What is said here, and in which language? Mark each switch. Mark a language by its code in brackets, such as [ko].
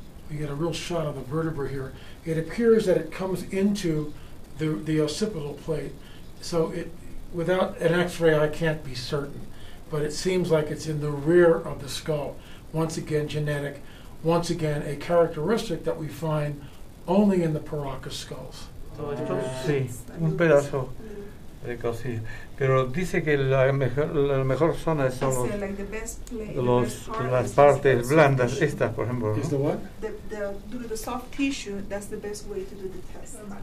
[en] We get a real shot of the vertebra here. It appears that it comes into the occipital plate. So it, without an x-ray, I can't be certain. But it seems like it's in the rear of the skull. Once again, genetic. Once again, a characteristic that we find only in the Paracas skulls. [es] Sí, un pedazo de cosilla. Pero dice que la mejor zona son las partes blandas, estas, por ejemplo. ¿Es [en] the what? The soft tissue, that's the best way to do the test.